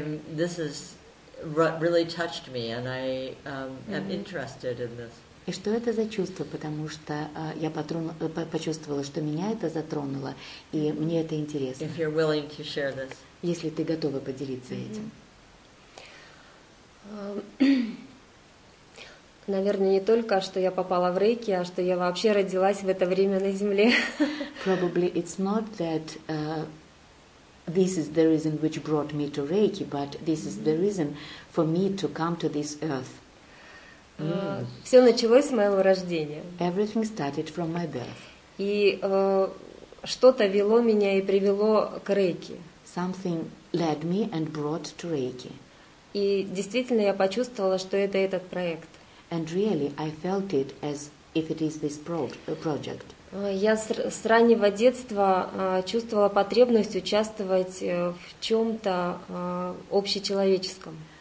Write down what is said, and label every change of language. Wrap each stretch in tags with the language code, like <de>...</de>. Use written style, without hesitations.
<en>This has really touched me, and I am interested in this.</en> <ru>И что это за чувство? Потому что я почувствовала, что меня это затронуло, и мне это интересно.</ru> <en>If you're willing to share this.</en> <ru>Если ты готова поделиться этим. Наверное, не только, что я попала в Рейки, а что я вообще родилась в это время на Земле.</ru> <en>Probably it's not that this is the reason which brought me to Reiki, but this is the reason for me to come to this earth.</en> <ru>Все началось с моего рождения.</ru> <en>Everything started from my birth.</en> <ru>И что-то вело меня и привело к Рейки.</ru> <en>Something led me and brought to Reiki.</en> <ru>И действительно, я почувствовала, что это этот проект.</ru> <en>And really, I felt it as if it is this project.</en> <ru>Я с раннего детства чувствовала потребность участвовать в чем-то общечеловеческом.</ru>